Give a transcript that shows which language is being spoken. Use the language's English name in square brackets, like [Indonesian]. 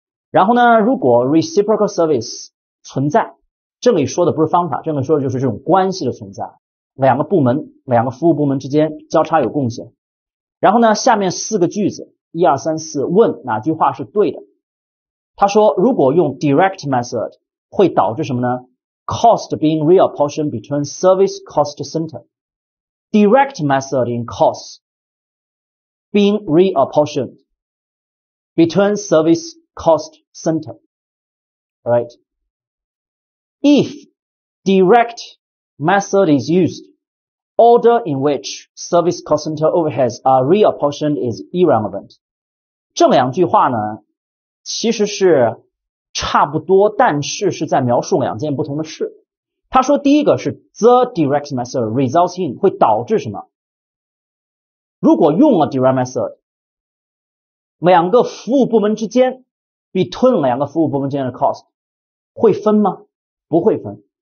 [Chinese] 然后呢，如果 reciprocal service 存在，这里说的不是方法，这里说的就是这种关系的存在，两个部门、两个服务部门之间交叉有贡献。然后呢，下面四个句子，一二三四，问哪句话是对的？他说，如果用 direct method 会导致什么呢？ [English] Cost being reapportioned between service cost center. Direct method in cost being reapportioned between service cost center. Alright. If direct method is used, order in which service cost center overheads are reapportioned is irrelevant. [Chinese] 这两句话呢，其实是差不多，但是是在描述两件不同的事。他说第一个是 [English] the direct method results in [Chinese] 会导致什么，如果用了 direct method， 两个服务部门之间 between 两个服务部门之间的 cost 会分吗？不会分。